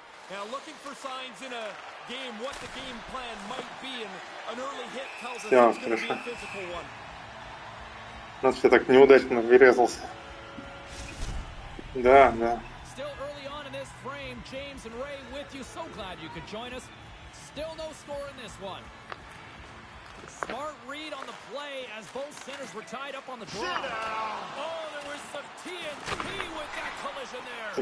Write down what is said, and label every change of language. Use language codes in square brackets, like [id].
[en] Now looking for signs in a game, what the game plan might be, and an early hit tells us it's going to be a physical one. [ru] У нас все так неудачно вырезался. Да, да. [en] Still early on in this frame, James and Ray with you. So glad you could join us. Still no score in this one. Smart read on the play as both centers were tied up on the draw. Oh, there was some TNT with that collision there.